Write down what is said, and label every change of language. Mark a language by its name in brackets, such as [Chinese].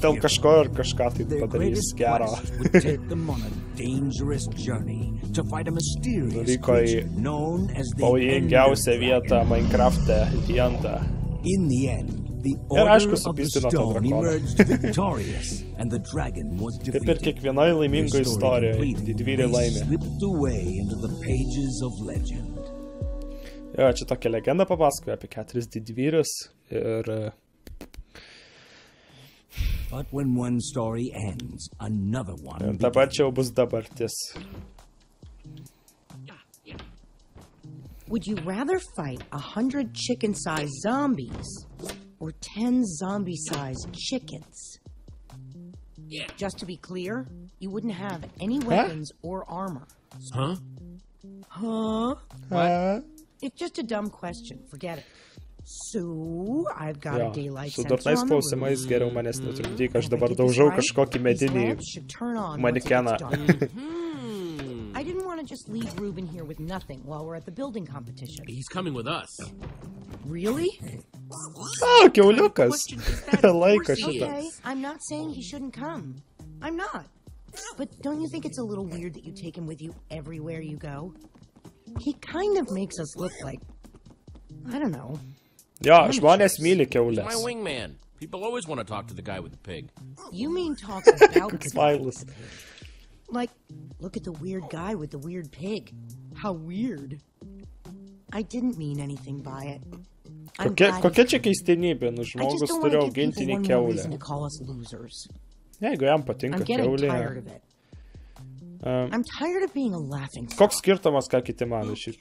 [English] Their greatest quest would take them on a dangerous journey to fight a mysterious creature known as the [Lithuanian] pavojingiausia vieta Minecraft'e, [English] Dianta. In the end, the Order of the Stone emerged victorious, and the dragon was defeated. [Lithuanian] Taip ir kiekvienoje laimingoje istorijoje didvyriai laimė. [English] Slipped away into the pages of legend. [Lithuanian] Jo, čia tokia legenda papasakoja apie keturis didvyrius ir... [English] But when one story ends, another one begins. [Lithuanian] Ir dabar čia jau bus dabartis. [English] Would you rather fight 100 chicken-sized zombies? Or 10 zombie-sized chickens. Yeah. Just to be clear, you wouldn't have any weapons or armor. Huh? Huh? What? It's just a dumb question. Forget it. So, I've got a daylight sensor on the roof. [Lithuanian] Su durnais klausimais geriau manęs netrukdyk, aš dabar daužau kažkokį medinį manekeną. [English] I didn't want to just leave Ruben here with nothing while we're at the building competition. He's coming with us. Really? Oh, [Lithuanian] kiauliukas. Laiko šitą. [English] Okay, I'm not saying he shouldn't come. I'm not. But don't you think it's a little weird that you take him with you everywhere you go? He kind of makes us look like... I don't know. [Lithuanian] Jo, žmonės myli kiaulės. [English] My wingman. People always want to talk to the guy with the pig. You mean talk about Spyless. Like, look at the weird guy with the weird pig. How weird. I didn't mean anything by it. [Lithuanian] Kokia čia keistenybė, nu žmogus turi augintinį kiaulę. Jeigu jam patinka kiaulė. [English] I'm tired of being a laughing [Lithuanian] stock. Koks skirtumas, ką kiti mano šiaip.